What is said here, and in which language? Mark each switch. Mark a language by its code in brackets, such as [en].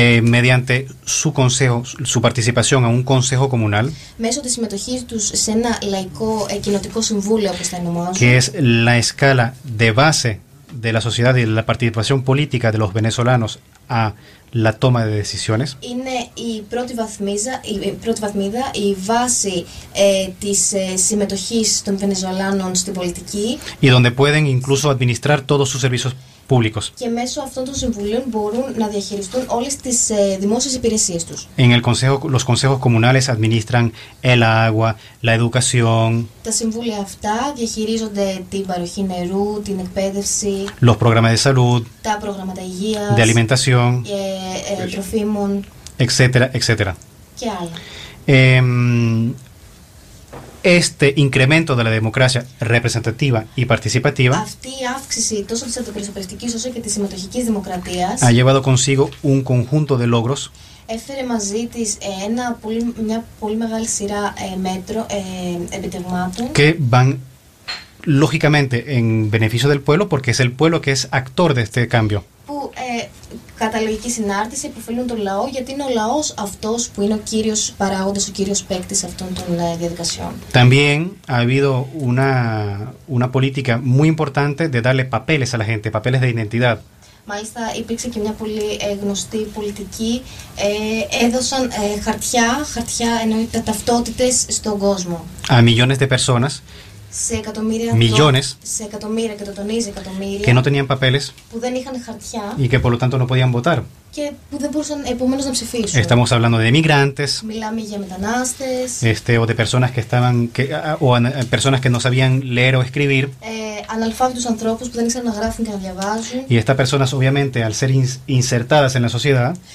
[es] mediante su consejo, su participación a un consejo comunal, [el] μέσω της συμμετοχής τους σε ένα λαϊκό κοινοτικό συμβούλιο, όπως τα ονομάζουν, [es] que es la escala de base de la sociedad y de la participación política de los venezolanos a la toma de decisiones. [el] Είναι η πρώτη βαθμίδα, η βάση της συμμετοχής των Βενεζουελάνων στην πολιτική. [es] Y donde pueden incluso administrar todos sus servicios públicos. [el] Και μέσω αυτών των συμβουλίων μπορούν να διαχειριστούν όλες τις δημόσιες υπηρεσίες τους. [es] En el consejo, los consejos comunales administran el agua, la educación. [el] Τα συμβούλια αυτά διαχειρίζονται την παροχή νερού, την εκπαίδευση. [es] Los programas de salud. [el] Τα προγράμματα υγείας. [es] De alimentación. [el] Τροφίμων. [es] Etcétera, etcétera. [el] Και άλλα. [es] Este incremento de la democracia representativa y participativa, [el] αυτή η αύξηση τόσο της αντιπροσωπευτικής όσο και της συμμετοχικής δημοκρατίας, [es] ha llevado consigo un conjunto de logros, [el] έφερε μαζί της μια πολύ μεγάλη σειρά επιτευγμάτων, [es] que van lógicamente en beneficio del pueblo porque es el pueblo que es actor de este cambio, [el] που κατά λογική συνάρτηση υποφελούν τον λαό, γιατί είναι ο λαός αυτός που είναι ο κύριος παράγοντας, ο κύριος παίκτης αυτών των διαδικασιών. [es] También ha habido una política muy importante de darle papeles a la gente, papeles de identidad. [el] Μάλιστα, υπήρξε και μια πολύ γνωστή πολιτική. Έδωσαν χαρτιά, εννοείται, ταυτότητες στον κόσμο. [es] A millones de personas. [el] Σε εκατομμύρια, [es] millones, [el] σε εκατομμύρια, και το τονίζει, εκατομμύρια, [es] que no tenían papeles, [el] που δεν είχαν χαρτιά, [es] y que por lo tanto no podían votar, [el] και που δεν μπορούσαν επομένως να ψηφίσουν. [es] Estamos hablando de migrantes, [el] μιλάμε για μετανάστες, [es] o de personas que estaban personas que no sabían leer o escribir, [el] αναλφάβητους ανθρώπους που δεν ήξεραν να γράφουν και να διαβάζουν, [es] y estas personas obviamente al ser insertadas en la sociedad,